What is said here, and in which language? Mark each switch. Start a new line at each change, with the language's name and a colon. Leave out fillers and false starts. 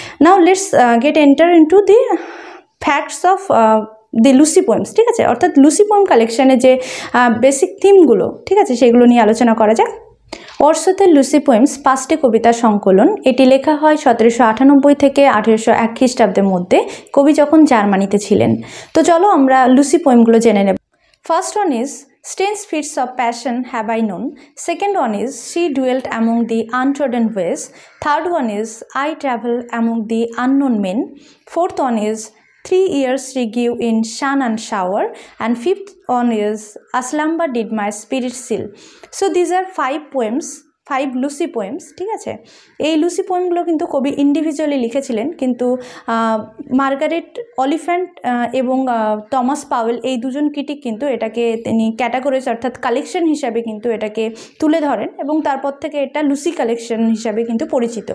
English: now let's get enter in to the facts of the Lucy poems,
Bangla: ঠিক আছে? অর্থাৎ Lucy poem কালেকশানে যে basic থিমগুলো, ঠিক আছে, সেগুলো নিয়ে আলোচনা করা যাক। ওয়ার্ডসওয়ার্থের লুসি পোয়েমস পাঁচটি কবিতা সংকলন। এটি লেখা হয় 1798 থেকে 1801 খ্রিস্টাব্দের মধ্যে, কবি যখন জার্মানিতে ছিলেন। তো চলো আমরা লুসি পোয়েমগুলো জেনে নেব।
English: First one is Strange feats of passion have I known. Second one is She dwelt among the untrodden ways. Third one is I travel among the unknown men. Fourth one is 3 years she gave in sun and shower. And fifth one is A slumber did my spirit seal. So these are five poems. Five Lucy poems,
Bangla: ঠিক আছে? এই Lucy পোয়েমগুলো কিন্তু কবি individually লিখেছিলেন, কিন্তু Margaret Oliphant এবং Thomas Powell এই দুজন ক্রিটিক কিন্তু এটাকে তিনি ক্যাটাগরিজ, অর্থাৎ কালেকশন হিসাবে কিন্তু এটাকে তুলে ধরেন, এবং তারপর থেকে এটা লুসি কালেকশন হিসাবে কিন্তু পরিচিত।